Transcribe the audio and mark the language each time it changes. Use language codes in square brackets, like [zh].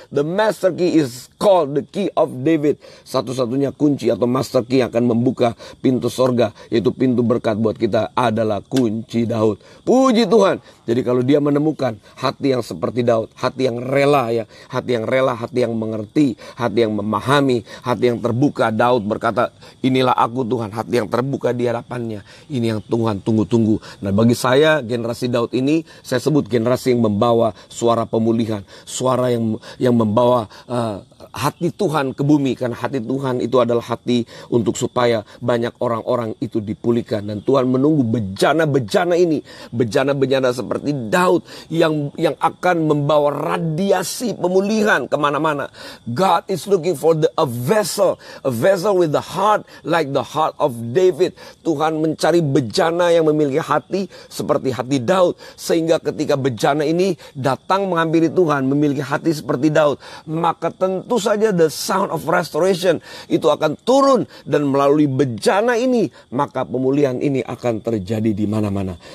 [en] The master key is called the key of David. [id] Satu-satunya kunci atau master key yang akan membuka pintu sorga, yaitu pintu berkat buat kita, adalah kunci Daud. Puji Tuhan. Jadi kalau dia menemukan hati yang seperti Daud, hati yang rela ya, hati yang rela, hati yang mengerti, hati yang memahami, hati yang terbuka. Daud berkata, inilah aku Tuhan. Hati yang terbuka di hadapannya, ini yang Tuhan tunggu-tunggu. Nah, bagi saya, generasi Daud ini, saya sebut generasi yang membawa suara pemulihan. Suara yang membawa hati Tuhan ke bumi. Karena hati Tuhan itu adalah hati untuk supaya banyak orang-orang itu dipulihkan. Dan Tuhan menunggu bejana-bejana ini. Bejana-bejana seperti Daud yang akan membawa radiasi pemulihan kemana-mana. [en] God is looking for a vessel with the heart like the heart of David. [id] Tuhan mencari bejana yang memiliki hati seperti hati Daud, sehingga ketika bejana ini datang menghampiri Tuhan memiliki hati seperti Daud, maka tentu saja [en] the sound of restoration [id] itu akan turun, dan melalui bejana ini maka pemulihan ini akan terjadi di mana-mana.